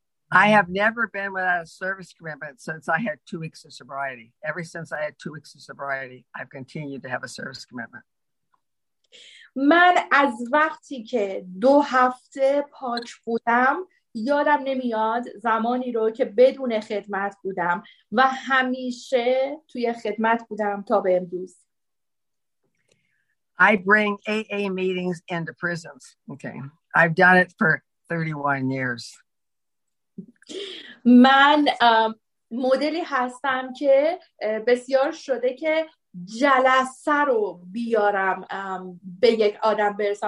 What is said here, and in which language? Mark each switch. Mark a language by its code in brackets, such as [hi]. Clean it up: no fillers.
[en] I have never been without a service commitment since I had 2 weeks of sobriety. Ever since I had 2 weeks of sobriety, I've continued to have a service commitment. [fa] من از وقتی که 2 هفته پاک بودم یادم نمیاد زمانی رو که بدون خدمت بودم و همیشه توی خدمت بودم تا به امروز. [en] I bring AA meetings into prisons. Okay. I've done it for 31 years. [fa] من مدلی هستم که بسیار شده که جلسه رو بیارم به یک آدم برسم.